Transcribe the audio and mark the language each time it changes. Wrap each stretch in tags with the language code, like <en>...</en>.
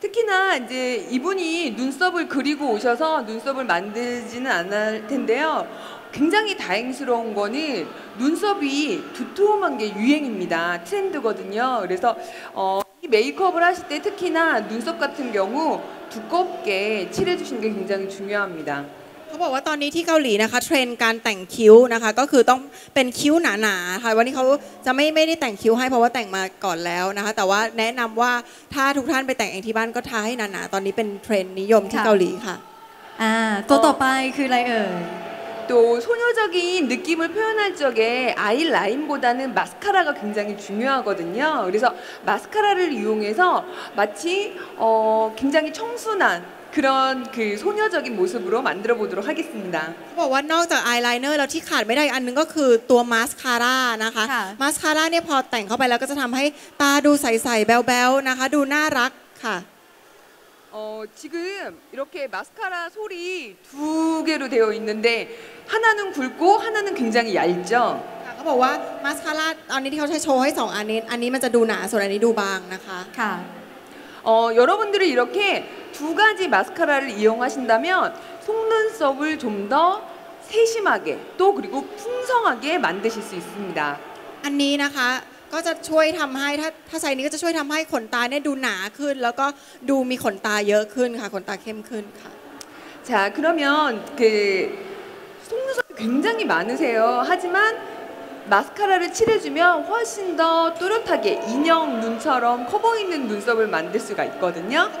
<ko>특히나이제이분이눈썹을그리고오셔서눈썹을만들지는않을텐데요굉장히다행스러운거는눈썹이두툼한게유행입니다트렌드거든요그래서이메이크업을하실때특히나눈썹같은경우두껍게칠해주시는게굉장히중요합니다</ko> <th>เขาบอกว่าตอนนี้ที่เกาหลีนะคะเทรนด์การแต่งคิ้วนะคะก็คือต้องเป็นคิ้วหนาๆค่ะวันนี้เขาจะไม่ได้แต่งคิ้วให้เพราะว่าแต่งมาก่อนแล้วนะคะแต่ว่าแนะนำว่าถ้าทุกท่านไปแต่งเองที่บ้านก็ทาให้หนาๆตอนนี้เป็นเทรนด์นิยมที่เกาหลีค่ะ ตัวต่อไปคืออะไรเอ่ย</th> <ko>또 소녀적인 느낌을 표현할 적에 아이라인보다는 마스카라가 굉장히 중요하거든요. 그래서 마스카라를 이용해서 마치 굉장히 청순한그런그소녀적인모습으로만들어보도록하겠습니다</ko> <th>เขาบอกว่านอกจากอายไลเนอร์แล้วที่ขาดไม่ได้อันนึงก็คือตัวมาสคาร่านะคะมาสคาร่าเนี่ยพอแต่งเข้าไปแล้วก็จะทำให้ตาดูใสๆแบ๊วๆนะคะดูน่ารักค่ะ</th> <ko>지금 이렇게 마스카라 솔이 두 개로 되어 있는데 하나는 굵고 하나는 굉장히 얇죠</ko> <th>เขาบอกว่า마스카라 อันนี้ที่เขาใช้โชว์ให้ 2 อันนี้ อันนี้มันจะดูหนา ส่วนอันนี้ดูบาง นะคะ ค่ะ</th> <ko>여러분들이 이렇게 두 가지 마스카라를 이용하신다면 속눈썹을 좀 더 세심하게 또 그리고 풍성하게 만드실 수 있습니다</ko> <th>อันนี้นะคะก็จะช่วยทำให้ถ้าใส่นี้ก็จะช่วยทำให้ขนตาเนี่ยดูหนาขึ้นแล้วก็ดูมีขนตาเยอะขึ้นค่ะขนตาเข้มขึ้นค่ะ</th> <ko>자그러면그속눈썹이굉장히많으세요하지만마스카라를칠해주면훨씬더또렷하게인형눈처럼커버있는눈썹을만들수가있거든요</ko>